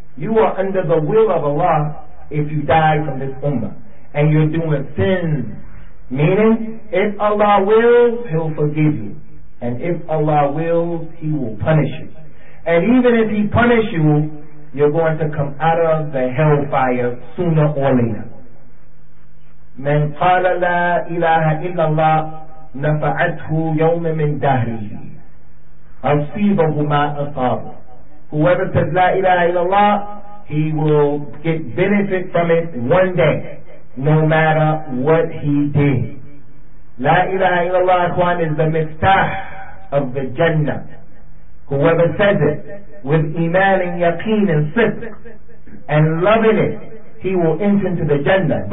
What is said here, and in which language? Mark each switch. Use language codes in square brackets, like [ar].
[en] You are under the will of Allah if you die from this ummah and you're doing sins. Meaning, if Allah wills, He'll forgive you. And if Allah wills, He will punish you. And even if He punishes you, you're going to come out of the hellfire sooner or later. [ar] من قال لا إله إلا الله نفعته يوم من دهره أصيبه ما أصابه. [en] Whoever says la ilaha illallah, he will get benefit from it one day, no matter what he did. La ilaha illallah, ikhwan, is the miftah of the Jannah. Whoever says it with iman and yaqeen and sidq and loving it, he will enter into the Jannah.